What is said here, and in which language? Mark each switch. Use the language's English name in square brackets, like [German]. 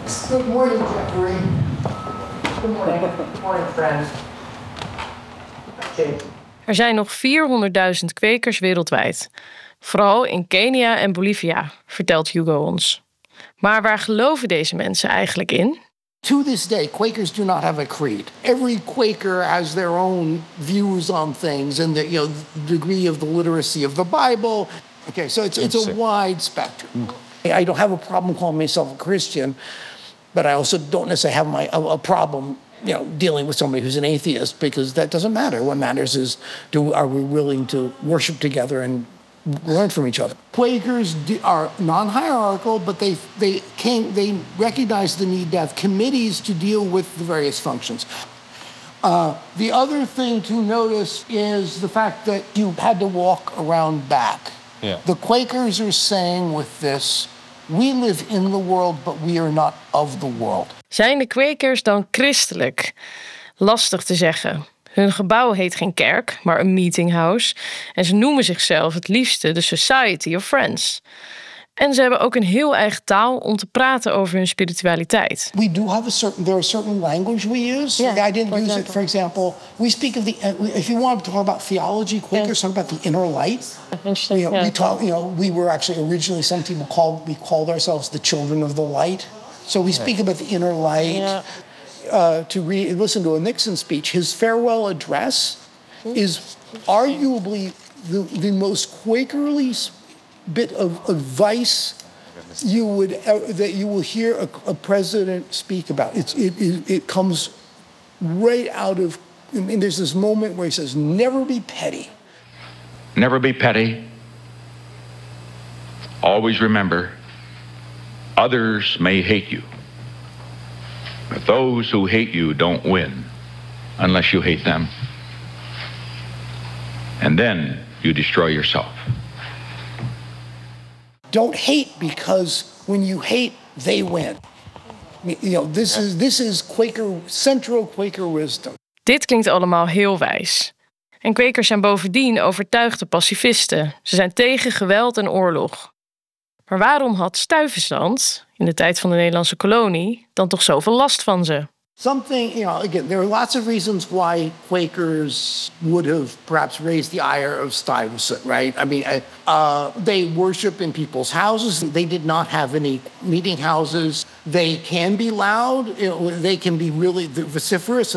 [English] Good morning, Jeffrey. Good morning, friend. [Dutch] Er zijn nog 400.000 kwekers wereldwijd. Vooral in Kenia en Bolivia, vertelt Hugo ons. Maar waar geloven deze mensen eigenlijk in? [English] To this day, Quakers do not have a creed. Every Quaker has their own views on things and the, you know, the degree of the literacy of the Bible. Okay, so it's a wide spectrum. Mm. I don't have a problem calling myself a Christian, but I also don't necessarily have a problem, you know, dealing with somebody who's an atheist, because that doesn't matter. What matters is, are we willing to worship together and learn from each other? Quakers are non-hierarchical, but they recognize the need to have committees to deal with the various functions. The other thing to notice is the fact that you had to walk around back. Yeah. The Quakers are saying with this, we live in the world, but we are not of the world. [Dutch] Zijn de Quakers dan christelijk? Lastig te zeggen. Hun gebouw heet geen kerk, maar een meetinghouse. En ze noemen zichzelf het liefste de Society of Friends. En ze hebben ook een heel eigen taal om te praten over hun spiritualiteit. [English] We do have a certain language we use. Yeah, I didn't use it, for example. We speak of the, if you want to talk about theology, Quakers talk about the inner light. Interesting. You know, yeah. We talk, you know, we were actually originally, some people called, we called ourselves the children of the light. So we speak about the inner light. Yeah. Listen to a Nixon speech, his farewell address is arguably the most Quakerly bit of advice you would that you will hear a president speak about. It comes right out of, I mean, there's this moment where he says, never be petty. Never be petty. Always remember, others may hate you. But those who hate you don't win unless you hate them. And then you destroy yourself. Don't hate, because when you hate, they win. You know, this is Quaker, central Quaker wisdom. [Dutch] Dit klinkt allemaal heel wijs. En Quakers zijn bovendien overtuigde pacifisten. Ze zijn tegen geweld en oorlog. Maar waarom had Stuyvesant, in de tijd van de Nederlandse kolonie, dan toch zoveel last van ze? [English] Something, you know, again, there are lots of reasons why Quakers would have perhaps raised the ire of Stuyvesant, right? I mean, they worship in people's houses. They did not have any meeting houses. They can be loud. They can be really vociferous.